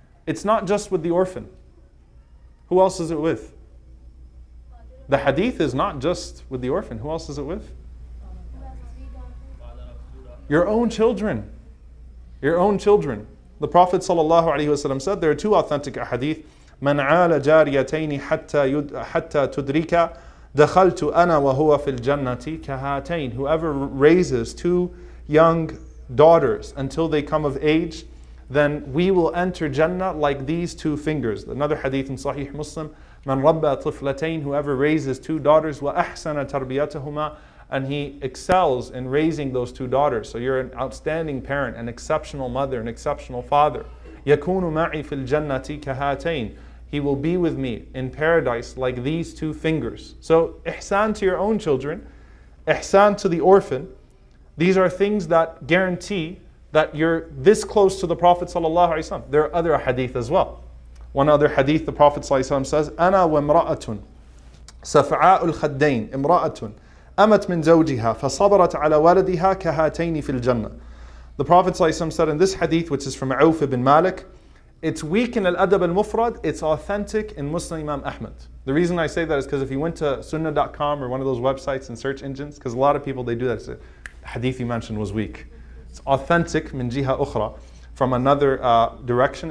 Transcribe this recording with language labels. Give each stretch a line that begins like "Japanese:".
English: It's not just with the orphan. Who else is it with? The hadith is not just with the orphan. Who else is it with? Your own children. Your own children. The Prophet sallallahu alaihi wasallam said, there are two authentic ahadith.
Arabic: من عال جاريتين حتى تدركا دخلت أنا وهو في الجنة كهاتين.
English: Whoever raises two young daughters until they come of age, then we will enter Jannah like these two fingers. Another hadith in Sahih Muslim,
Arabic: من ربى طفلتين,
English: whoever raises two daughters,
Arabic: وأحسن تربيتهما,
English: and he excels in raising those two daughters. So you're an outstanding parent, an exceptional mother, an exceptional father.
Arabic: يكون معي في الجنة كهاتين.
English: He will be with me in paradise like these two fingers. So ihsan to your own children, ihsan to the orphan, these are things that guarantee that you're this close to the Prophet ﷺ. There are other hadith as well. One other hadith, the Prophet ﷺ says,
Arabic: أنا وامرأةٌ سفعاء الخدين امرأةٌ أمت من زوجها فصبرت على ولدها كهاتين في الجنة.
English: The Prophet ﷺ said in this hadith, which is from Auf ibn Malik, it's weak in Al-Adab Al-Mufrad, it's authentic in Muslim Imam Ahmad. The reason I say that is because if you went to sunnah.com or one of those websites and search engines, because a lot of people, they do that, say, hadith you mentioned was weak. It's authentic,
Arabic: min jiha ukhra,
English: from another direction.